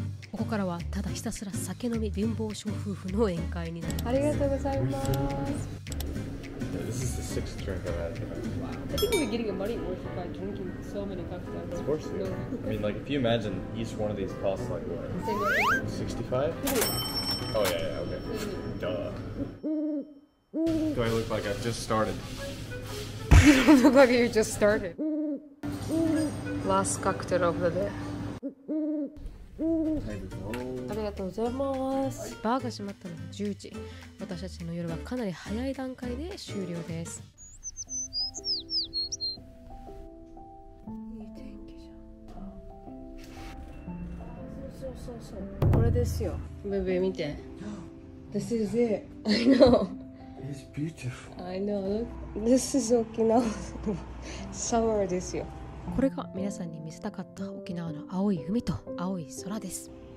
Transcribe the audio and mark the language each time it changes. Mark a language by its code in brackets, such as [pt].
[ja] ここからはただひたすら酒飲み貧乏症夫婦の宴会になります。ありがとうございます。 [en] This is the sixth drink I've had. Wow. I think we're getting a money worth by drinking so many cocktails. Of course. No. I mean, like, if you imagine each one of these costs like what? 65? Oh yeah, yeah, okay. Duh. Do I look like I just started? You don't look like you just started. Last cocktail of the day. [ja] ありがとうございます。バーが閉まったのが10時。私たちの夜はかなり早い段階で終了です。いい天気じゃん。そうそうそう。これですよ。ベベ見て。 [en] This is it. I know. It's beautiful. I know. This is Okinawa summer, this year. [ja] これが皆さんに見せたかった沖縄の青い海と青い空です。